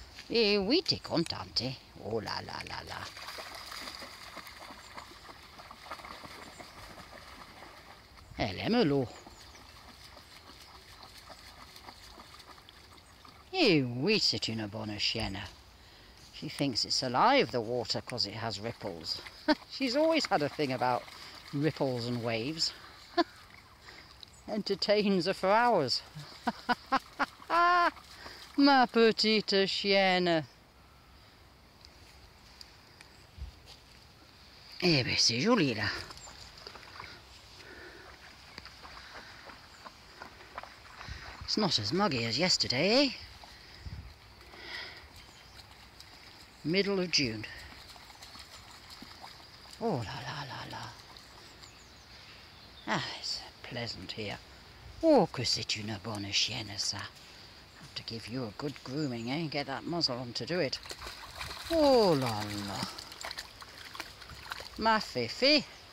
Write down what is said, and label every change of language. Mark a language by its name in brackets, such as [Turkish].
[French] Eh oui, t'es contente, eh. Oh là là là là. Elle aime l'eau. Eh oui, c'est une bonne chienne. [English] She thinks it's alive, the water, because it has ripples. She's always had a thing about ripples and waves. Entertains her for hours. [French] Ma petite chienne. Eh bien, c'est joli, là. [English] It's not as muggy as yesterday, eh? Middle of June. [French] Oh la la la la. [English] Ah, it's pleasant here. [French] Oh, que c'est une bonne chienne, ça. [English] Have to give you a good grooming, eh? Get that muzzle on to do it. [French] Oh la la. Ma fifi.